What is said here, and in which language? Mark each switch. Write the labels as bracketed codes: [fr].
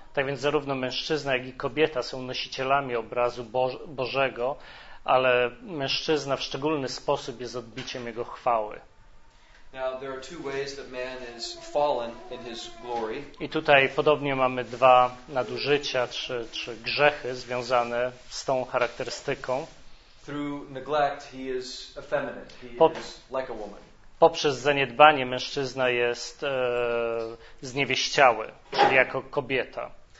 [pl] Tak więc zarówno mężczyzna, jak i kobieta są nosicielami obrazu Bożego, ale mężczyzna w szczególny sposób jest odbiciem Jego chwały. [en] Now, there are two ways that man is fallen in his glory. [pl] I tutaj podobnie mamy dwa nadużycia czy grzechy związane z tą charakterystyką. [en] Through neglect, he is effeminate. He is like a woman. [pl] Poprzez zaniedbanie mężczyzna jest zniewieściały, czyli jako kobieta.